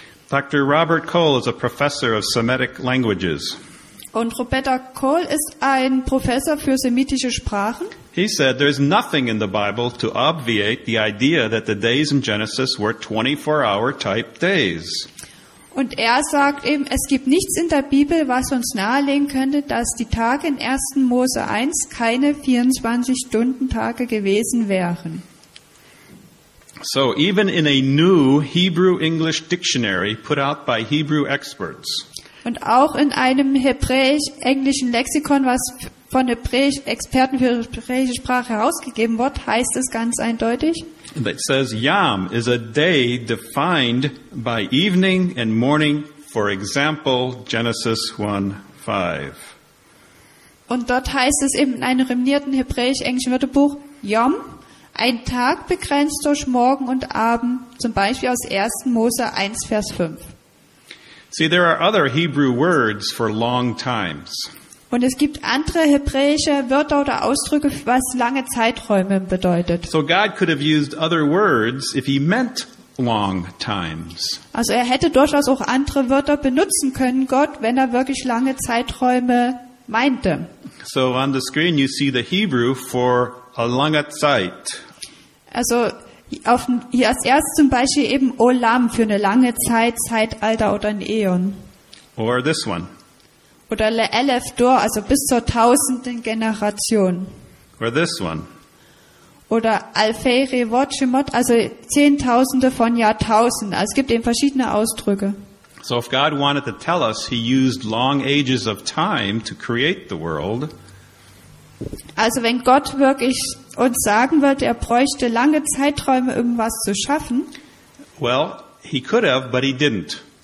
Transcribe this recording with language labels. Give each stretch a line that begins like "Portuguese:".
English: Dr. Robert Cole is a professor of Semitic languages.
German: Und Roberta Cole ist ein Professor für semitische Sprachen.
English: He said there is nothing in the Bible to obviate the idea that the days in Genesis were 24-hour type days.
German: Und sagt eben, es gibt nichts in der Bibel, was uns nahelegen könnte, dass die Tage in 1. Mose 1 keine 24-Stunden-Tage gewesen wären.
English: So even in a new Hebrew English dictionary put out by Hebrew experts.
German: Und auch in einem hebräisch-englischen Lexikon, was von Hebräisch-Experten für hebräische Sprache herausgegeben wird, heißt es ganz eindeutig.
English: It says Yom is a day defined by evening and morning, for example Genesis 1:5.
German: Und dort heißt es eben in einem reminierten hebräisch-englischen Wörterbuch Yom, ein Tag begrenzt durch Morgen und Abend, zum Beispiel aus 1. Mose 1, Vers 5.
English: See, there are other Hebrew words for long times.
German: Und es gibt andere hebräische Wörter oder Ausdrücke, was lange Zeiträume bedeutet.
English: So God could have used other words if he meant long times.
German: Also hätte durchaus auch andere Wörter benutzen können, Gott, wenn wirklich lange Zeiträume meinte.
English: So on the screen you see the Hebrew for a
German: lange Zeit. Also hier als erst zum Beispiel eben Olam für eine lange Zeit, Zeitalter oder ein Äon.
English: Or this one.
German: Oder Le'elef Dor, also bis zur tausenden Generation.
English: Or this one.
German: Oder Alfei Revot Shemot, also Zehntausende von Jahrtausenden. Also es gibt eben verschiedene Ausdrücke.
English: So if God wanted to tell us, he used long ages of time to create the world.
German: Also wenn Gott wirklich uns sagen wird, er bräuchte lange Zeiträume, um was zu schaffen.
English: Well, he could have, but he didn't.